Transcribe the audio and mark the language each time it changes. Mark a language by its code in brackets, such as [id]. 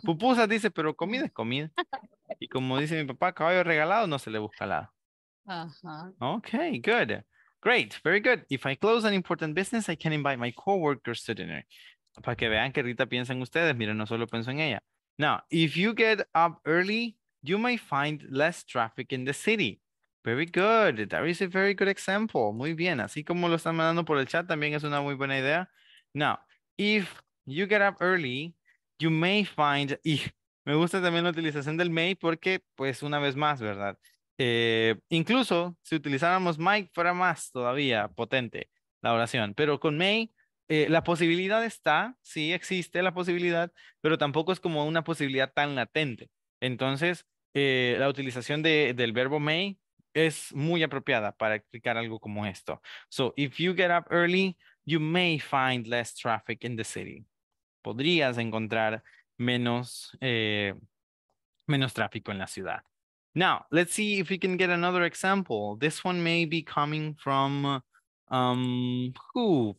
[es] Pupusas dice, pero comida es comida. Y como dice mi papá, caballo regalado no se le busca nada. Uh-huh. [en] Okay, good. Great, very good. If I close an important business, I can invite my coworkers to dinner. [es] Para que vean que Rita piensa en ustedes, miren, no solo pienso en ella. [en] Now, if you get up early, you may find less traffic in the city. Very good. That is a very good example. [es] Muy bien. Así como lo están mandando por el chat, también es una muy buena idea. [en] Now, if you get up early, you may find... [es] Y me gusta también la utilización del may porque, pues, una vez más, ¿verdad? Incluso, si utilizáramos may, fuera más todavía potente la oración. Pero con may, la posibilidad está, sí, existe la posibilidad, pero tampoco es como una posibilidad tan latente. Entonces, la utilización del verbo may es muy apropiada para explicar algo como esto. [en] So, if you get up early, you may find less traffic in the city. [es] Podrías encontrar menos tráfico en la ciudad. [en] Now, let's see if we can get another example. This one may be coming from, who?